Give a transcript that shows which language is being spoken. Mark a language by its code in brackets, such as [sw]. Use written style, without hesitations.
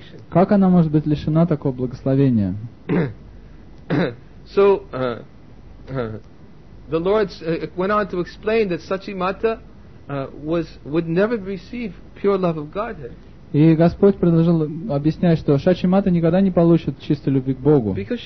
[ru] Как она может быть лишена такого благословения? [en] So, the Lord went on to explain that Шачи Мата would never receive pure love of Godhead. [ru] И Господь продолжал объяснять, что Шачи Мата никогда не получит чистой любви к Богу.